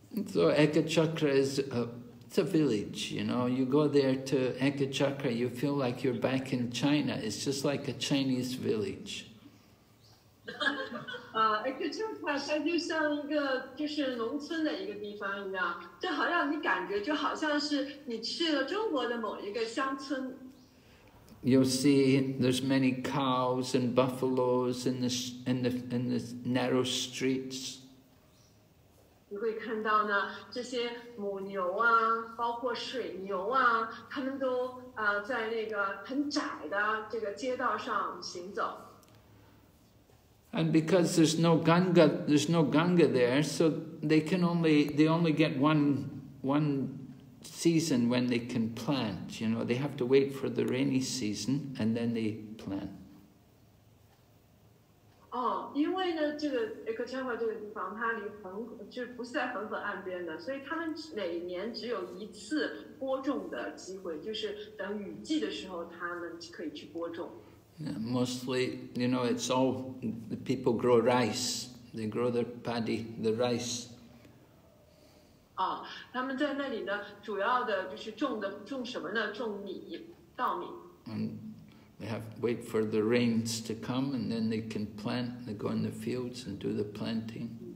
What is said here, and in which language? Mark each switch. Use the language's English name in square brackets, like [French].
[English] So Ekachakra is It's a village, you know. You go there to Ekachakra, you feel like you're back in China. It's just like a Chinese village. [Chinese] Ekachakra 它就像一个就是农村的一个地方一样，就好像你感觉就好像是你去了中国的某一个乡村。 [English] You'll see there's many cows and buffaloes in the narrow streets. [Chinese] 你会看到呢，这些母牛啊，包括水牛啊，它们都在那个很窄的这个街道上行走。 [English] And because there's no Ganga there, so they only get one season when they can plant. You know, they have to wait for the rainy season and then they plant. [Chinese] 哦，因为呢，这个 Ekachakra 这个地方，它离恒就是不是在恒河岸边的，所以他们每年只有一次播种的机会，就是等雨季的时候，他们可以去播种。 [English] Yeah, mostly, you know, it's all the people grow rice. They grow their paddy, the rice. [Chinese] 哦，他们在那里呢，主要的就是种什么呢？种米，稻米。 [English] They have to wait for the rains to come and then they can plant, they go in the fields and do the planting.